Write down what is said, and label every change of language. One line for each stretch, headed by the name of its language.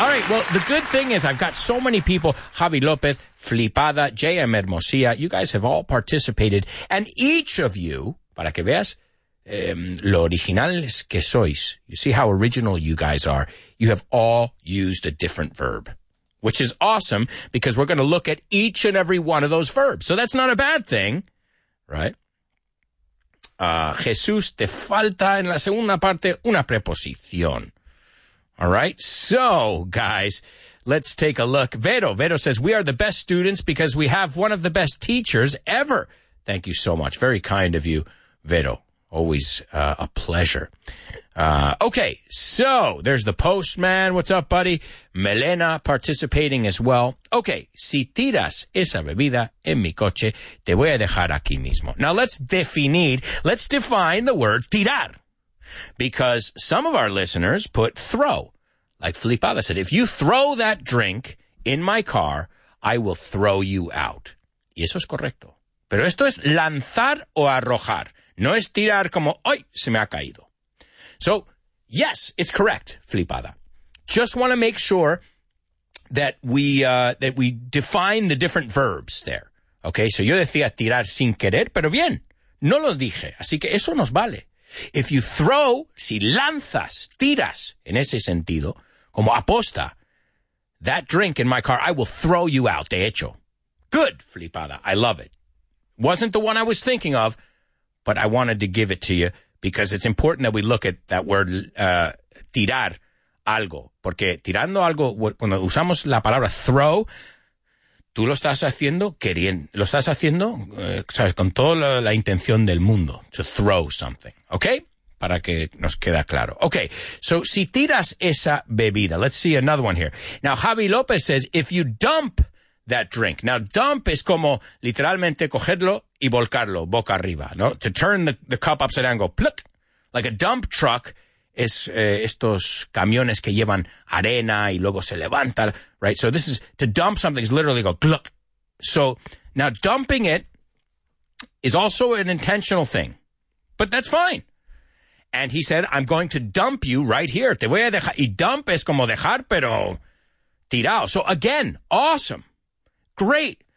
English: All right, well, the good thing is I've got so many people, Javi Lopez, Flipada, JM Hermosilla, you guys have all participated, and each of you,
Spanish: para que veas, lo originales que sois,
English: you see how original you guys are, you have all used a different verb. Which is awesome because we're going to look at each and every one of those verbs. So that's not a bad thing. right?
Spanish: Jesús, te falta en la segunda parte una preposición.
English: All right, so, guys, let's take a look. Vero says, we are the best students because we have one of the best teachers ever. Thank you so much. Very kind of you, Vero. Always a pleasure. Okay, so there's the postman. What's up, buddy? Melena participating as well.
Spanish: Okay, si tiras esa bebida en mi coche, te voy a dejar aquí mismo.
English: Now let's define the word tirar. Because some of our listeners put throw. Like Flipada said, if you throw that drink in my car, I will throw you out.
Spanish: Y eso es correcto. Pero esto es lanzar o arrojar. No es tirar como, ¡ay, se me ha caído!
English: So, yes, it's correct, Flipada. Just want to make sure that we define the different verbs there. Okay, so
Spanish: yo decía tirar sin querer, pero bien, no lo dije. Así que eso nos vale.
English: If you throw,
Spanish: si lanzas, tiras, en ese sentido, como aposta,
English: that drink in my car, I will throw you out,
Spanish: de hecho.
English: Good, Flipada, I love it. Wasn't the one I was thinking of, but I wanted to give it to you because it's important that we look at that word, tirar algo.
Spanish: Porque tirando algo, cuando usamos la palabra throw, tú lo estás haciendo queriendo, lo estás haciendo, sabes, con toda la intención del mundo,
English: to throw something, okay?
Spanish: Para que nos quede claro.
English: Okay, so
Spanish: si tiras esa bebida,
English: let's see another one here. Now, Javi López says, if you dump that drink.
Spanish: Now, dump es como literalmente cogerlo y volcarlo boca arriba, ¿no?
English: To turn the cup upside down, go pluck. Like a dump truck
Spanish: es estos camiones que llevan arena y luego se levantan, right?
English: So this is, to dump something is literally go gluck. So now dumping it is also an intentional thing, but that's fine. And he said, I'm going to dump you right here.
Spanish: Te voy a dejar. Y dump es como dejar, pero tirado.
English: So again, awesome. Great.